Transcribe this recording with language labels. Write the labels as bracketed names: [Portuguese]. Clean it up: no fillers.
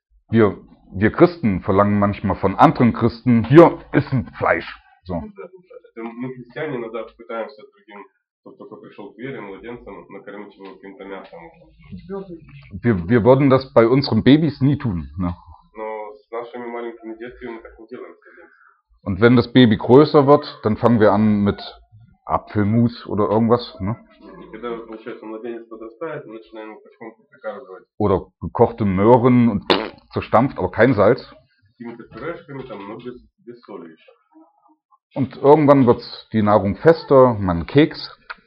[German] Wir Christen verlangen manchmal von anderen Christen, hier ist ein Fleisch. So. [Russian] Мы христиане иногда пытаемся другим, кто только пришел к вере, младенцам, накормить его каким-то мясом. [German] Wir würden das bei unseren Babys nie tun. Ne? [Russian] Но с нашими маленькими детьми мы так не делаем. [German] Und wenn das Baby größer wird, dann fangen wir an mit Apfelmus oder irgendwas. Ne? [Russian] И когда, получается, младенец подрастает, мы начинаем его потихоньку прикармливать. [German] Oder gekochte Möhren und zerstampft, aber kein Salz. [Russian] Какими-то пюрешками, там, но без соли еще. [German] Und irgendwann wird die Nahrung fester, man Keks.